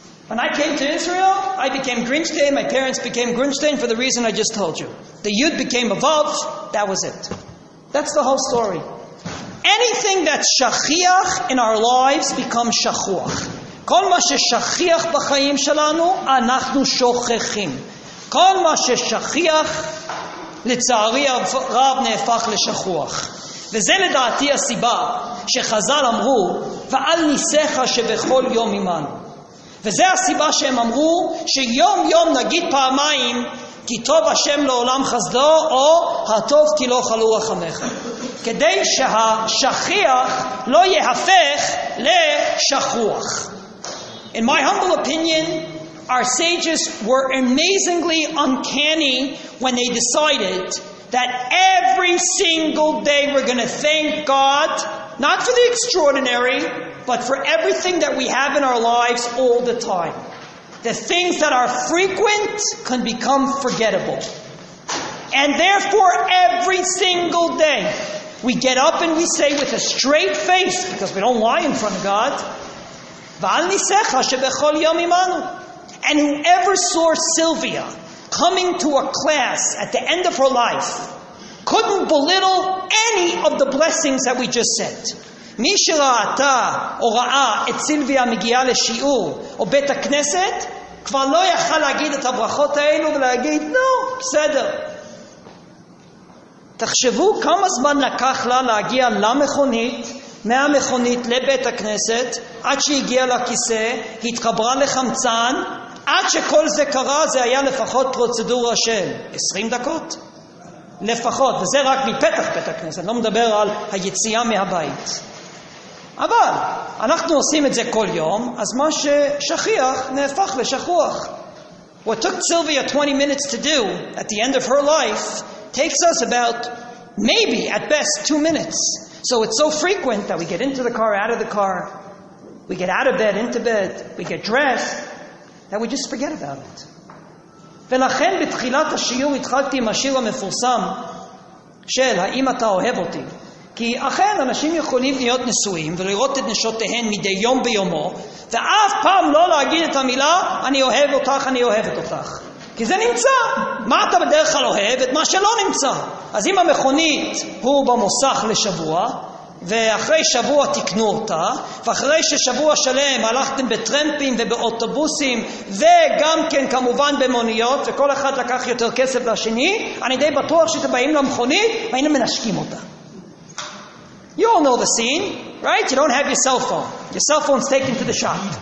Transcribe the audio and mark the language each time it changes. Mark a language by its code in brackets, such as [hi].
[en] When I came to Israel, I became Grinstein, my parents became Grinstein for the reason I just told you. The Yud became a Vav, that was it. That's the whole story. Anything that's shachiach in our lives becomes shachuach. [he] כל מה ששכיח בחיים שלנו, אנחנו שוכחים. כל מה ששכיח, לצערי הרב, נהפך לשכוח. וזה לדעתי הסיבה שחז"ל אמרו, ועל ניסיך שבכל יום עמנו. וזה הסיבה שהם אמרו, שיום יום נגיד פעמיים, כי טוב השם לעולם חסדו, או הטוב כי לא חלו רחמך. כדי שהשכיח לא יהפך לשכוח. [en] In my humble opinion, our sages were amazingly uncanny when they decided that every single day we're going to thank God, not for the extraordinary, but for everything that we have in our lives all the time. The things that are frequent can become forgettable. And therefore, every single day, we get up and we say with a straight face, because we don't lie in front of God, [he] ועל ניסיך שבכל יום עמנו. [en] And whoever saw Sylvia coming to a class at the end of her life couldn't belittle any of the blessings that we just said. [he] מי שראתה או ראה את סילביה מגיעה לשיעור או בית הכנסת, כבר לא יכל להגיד את הברכות האלו ולהגיד, נו, בסדר. תחשבו כמה זמן לקח לה להגיע למכונית, מהמכונית לבית הכנסת, עד שהגיעה לכיסא, התחברה לחמצן, עד שכל זה קרה, זה היה לפחות פרוצדורה של 20 דקות. לפחות, וזה רק מפתח בית הכנסת, לא מדבר על היציאה מהבית. אבל, אנחנו עושים את זה כל יום, אז מה ששכיח נהפך לשכוח. [en] What took Sylvia 20 minutes to do at the end of her life takes us about, maybe at best, 2 minutes. So it's so frequent that we get into the car, out of the car, we get out of bed, into bed, we get dressed, that we just forget about it. [he] ולכן בתחילת השיעור התחלתי עם השיר המפורסם של האם אתה אוהב אותי. כי אכן אנשים יכולים להיות נשואים ולראות את נשותיהן מדי יום ביומו, ואף פעם לא להגיד את המילה, אני אוהב אותך, אני אוהבת אותך. כי זה נמצא. מה אתה בדרך כלל אוהב? את מה שלא נמצא. אז אם המכונית הוא במוסך לשבוע, ואחרי שבוע תקנו אותה, ואחרי ששבוע שלם הלכתם בטרמפים ובאוטובוסים, וגם כן כמובן במוניות, וכל אחד לקח יותר כסף לשני, אני די בטוח שאתם באים למכונית, והיינו מנשקים אותה. [en] You all know the scene, right? You don't have your cell phone. Your cell phone's taken to the shop.